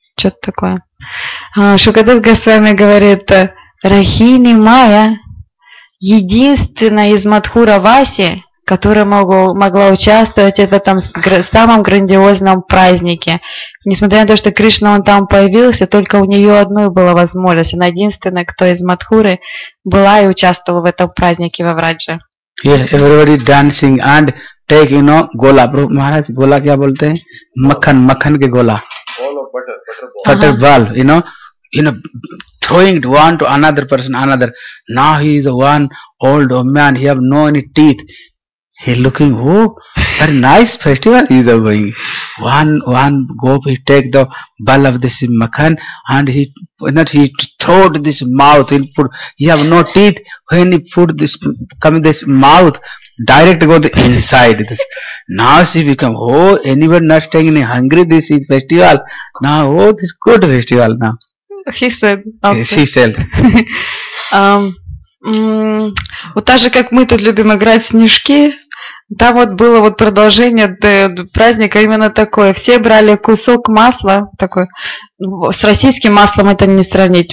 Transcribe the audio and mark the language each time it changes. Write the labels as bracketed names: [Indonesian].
[Russian] Что-то такое. Шукадев Госвами говорит: Рахини Майя, единственная из Мадхураваси, которая могла участвовать в этом самом грандиозном празднике. Несмотря на то, что Кришна он там появился, только у нее одной была возможность. Она единственная, кто из Мадхуры была и участвовала в этом празднике во Врадже. [English] Yes, everybody dancing and take, you know, gola. [Hindi] Maharaj, gola kya bolte hain? Makhan, makhan ke gola. [English] Gola, butter ball, you know, throwing one to another person, another. Now he is one old man, he have no any teeth. He looking, oh, very nice festival is going. One gopi take the ball of this makhan and he throw this mouth, he put, he have no teeth, when he put this, come this mouth, direct go the inside this. Now she become, oh, anyone not staying any hungry, this is festival. Now, oh, this good festival now. He said. She said. [Russian] Вот так же, как мы тут любим играть в снежки, там вот было вот продолжение праздника именно такое. Все брали кусок масла, такое, с российским маслом это не сравнить.